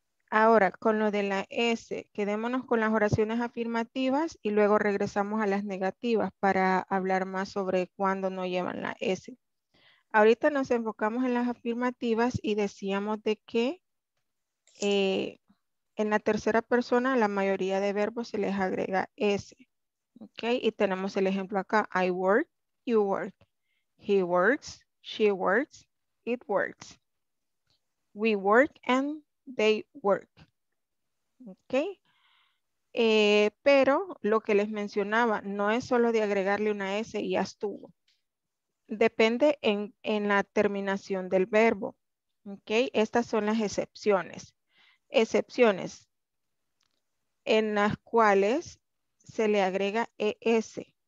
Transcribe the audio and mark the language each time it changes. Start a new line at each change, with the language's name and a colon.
Spanish: Ahora, con lo de la S, quedémonos con las oraciones afirmativas y luego regresamos a las negativas para hablar más sobre cuándo no llevan la S. Ahorita nos enfocamos en las afirmativas y decíamos de que en la tercera persona la mayoría de verbos se les agrega S. ¿Okay? Y tenemos el ejemplo acá,
English: I work, you work, he works, she works, it works, we work and they work.
Spanish: Ok. Pero lo que les mencionaba, no es solo de agregarle una S y ya estuvo. Depende en la terminación del verbo. Ok. Estas son las excepciones. Excepciones en las cuales se le agrega ES.